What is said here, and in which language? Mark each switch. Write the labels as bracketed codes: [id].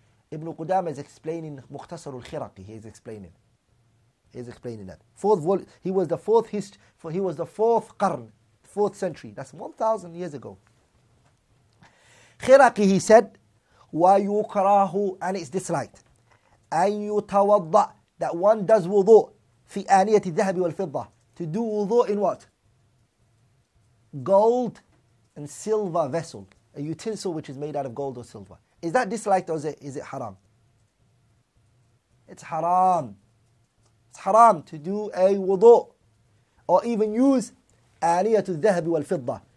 [en] Ibn Qudama is explaining Mukhtasar al-Khiraqi. He is explaining that. He was the fourth qarn, fourth century. That's 1,000 years ago. Khiraqi, he said, وَيُكْرَاهُ, and it's disliked. [ar] أَن يُتَوَضَّ, [en] that one does wudu. [ar] في آنية الذهب والفضة, [en] to do wudu in what? Gold and silver vessel, a utensil which is made out of gold or silver. Is that disliked or is it haram? It's haram. It's haram to do a wudu or even use [ar] آنية الذهب والفضة.